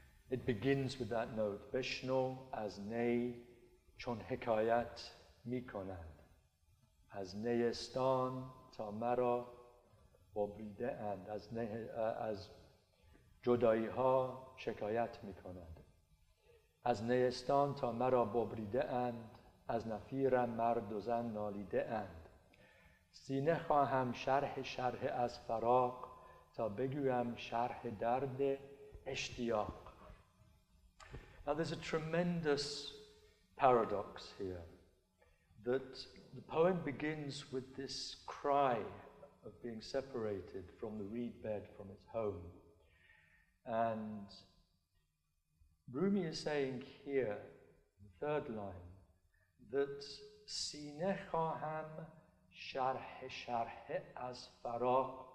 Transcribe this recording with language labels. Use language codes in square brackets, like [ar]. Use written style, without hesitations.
[en] It begins with that note, [fa] Beshno as nei chon hekayat mikonad, as neyestan tamara obride, and as jodai ha shekayat mikonad. از نیستان تا مرا ببریده اند، از نفیرم مرد و زن نالیده اند. سینه خواهم شرح شرح از فراق، تا بگویم شرح درد اشتیاق. [en] Now there's a tremendous paradox here, that the poem begins with this cry of being separated from the reed bed, from its home. And Rumi is saying here, the third line, that [fa] sine khaham sharh sharh az faraq.